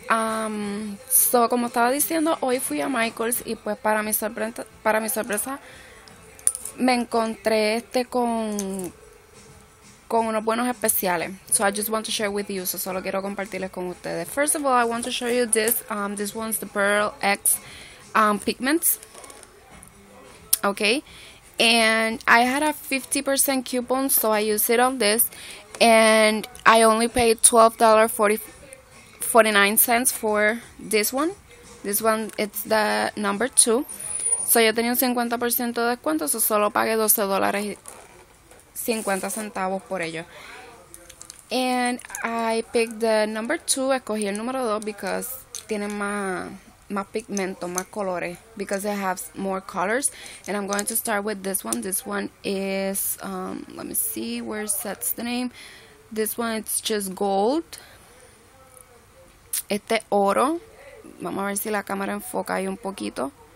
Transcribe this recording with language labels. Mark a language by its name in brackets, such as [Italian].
[Spanish] So, como estaba diciendo, hoy fui a Michaels y pues para mi sorpresa, me encontré este con unos buenos especiales. [English] So I just want to share with you. So [Spanish] solo quiero compartirles con ustedes. [English] First of all, I want to show you this. This one's the Pearl X pigments. Okay. And I had a 50% coupon, so I used it on this. And I only paid $12.49 for this one. This one, it's the number 2. [Spanish] So yo tenía un 50% de descuento, so solo pagué $12.50 por ello. [English] And I picked the number 2, [Spanish] escogí el número 2 [English] because [Spanish] tiene más pigmento, más colores, [English] because it has more colors. And I'm going to start with this one. This one is, let me see where sets the name. This one is just gold. [Spanish] Este oro, vamos a ver si la cámara enfoca ahí un poquito.